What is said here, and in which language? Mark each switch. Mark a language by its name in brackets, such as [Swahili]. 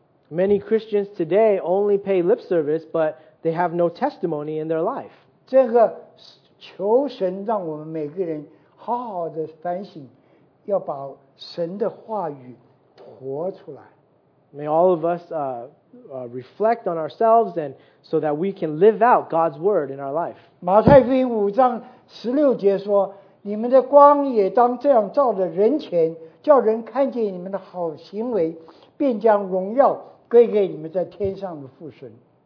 [English] Many Christians today only pay lip service, but they have no testimony in their life. [Chinese] 这个求神让我们每个人好好的反省，要把神的话语活出来。 [English] May all of us reflect on ourselves and so that we can live out God's word in our life. [Chinese] 马太福音5:16说：“你们的光也当这样照着人前，叫人看见你们的好行为，便将荣耀归给你们在天上的父神。”